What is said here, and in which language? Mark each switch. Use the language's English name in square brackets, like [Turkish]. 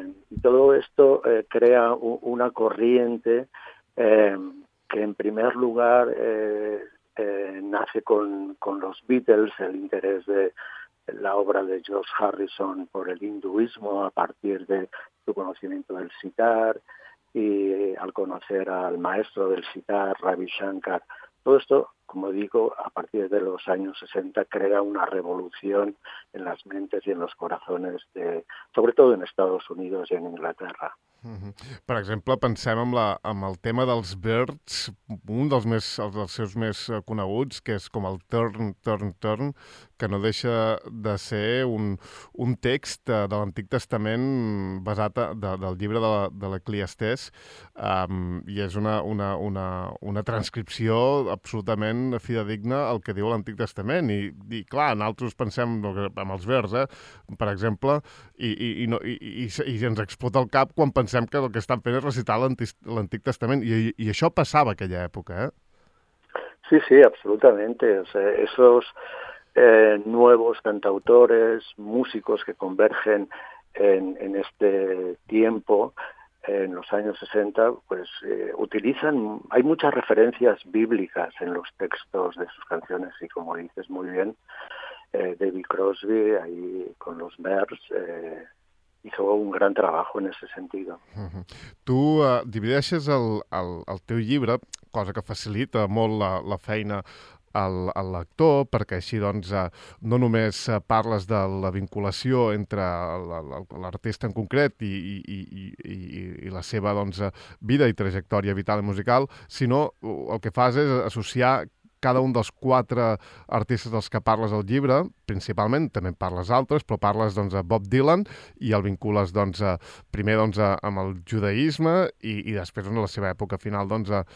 [Spanish] Y todo esto crea una corriente que en primer lugar nace con los Beatles, el interés de la obra de George Harrison por el hinduismo a partir de su conocimiento del sitar, y al conocer al maestro del sitar, Ravi Shankar. Todo esto, como digo, a partir de los años 60, crea una revolución en las mentes y en los corazones, sobre todo en Estados Unidos y en Inglaterra. [Catalan] Per exemple, pensem en el tema dels Byrds, un dels seus més coneguts, que és com el Turn, Turn, Turn, que no deixa de ser un text de l'Antic Testament basat del llibre de l'Ecliastès, i és una transcripció absolutament fidedigna al que diu l'Antic Testament. I clar, nosaltres pensem en els Byrds, per exemple, i ens explota el cap quan pensem que el que estan fent és recitar l'Antic Testament, i això passava aquella època, eh? Sí, sí, absolutament. [Spanish] O sea, esos nuevos cantautores, músicos que convergen en este tiempo, en los años 60, pues utilizan, hay muchas referencias bíblicas en los textos de sus canciones, y como dices muy bien, David Crosby, ahí con los Byrds, hizo un gran trabajo en ese sentido. [Catalan] Tu divideixes el teu llibre, cosa que facilita molt la feina al lector, perquè així doncs no només parles de la vinculació entre l'artista en concret i la seva doncs vida i trajectòria vital i musical, sinó el que fas és associar cada un dels quatre artistes dels que parles al llibre, principalment, també parles altres, però parles doncs, a Bob Dylan, i el vincules doncs, primer doncs, amb el judaïsme i després doncs, a la seva època final, doncs